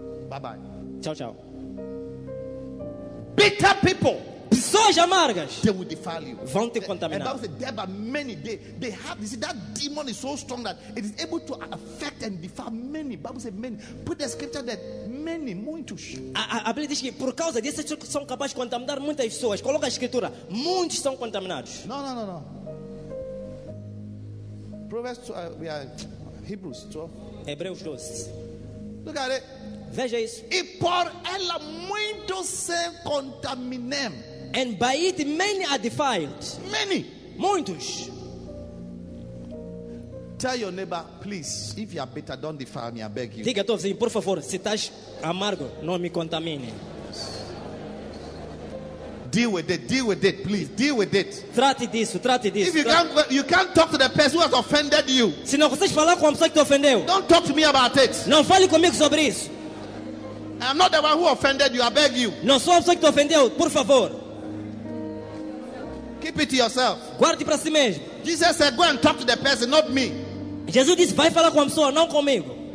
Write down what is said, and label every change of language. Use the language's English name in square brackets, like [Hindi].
[English] Bye-bye. [Portuguese] Tchau. [English] Bitter people. [Portuguese] Pessoas amargas. [English] They will defile you. [Portuguese] Vão te contaminar. [English] And Bible says, there are many. They have, you see, that demon is so strong that it is able to affect and defile many. Bible says, many. Put the scripture that many, [Portuguese] muitos. A Bíblia diz que por causa disso são capazes de contaminar muitas pessoas. Coloca a escritura. Muitos são contaminados. [English] No. Proverbs, we are Hebrews 12. [Portuguese] Hebreus 12. [English] Look at it. [Portuguese] Veja isso. E por ela muito se contaminem. [English] And by it many are defiled. Many. [Portuguese] Muitos. [English] Tell your neighbor, please, if you are bitter, don't defile me, I beg you. [Portuguese] Diga a tua vizinha, por favor, se estás amargo, não me contamine. [English] Deal with it, please. Deal with it. [Portuguese] Trate disso, trate disso. [English] If you can't talk to the person who has offended you. [Portuguese] Se não consegues falar com a pessoa que te ofendeu. [English] Don't talk to me about it. [Portuguese] Não fale comigo sobre isso. [English] I'm not the one who offended you, I beg you. [Portuguese] Não sou a pessoa que te ofendeu, por favor. [English] Keep it to yourself. [Portuguese] Guarde para si mesmo. [English] Jesus said, go and talk to the person, not me. [Portuguese] Jesus disse, vai falar com a pessoa, não comigo.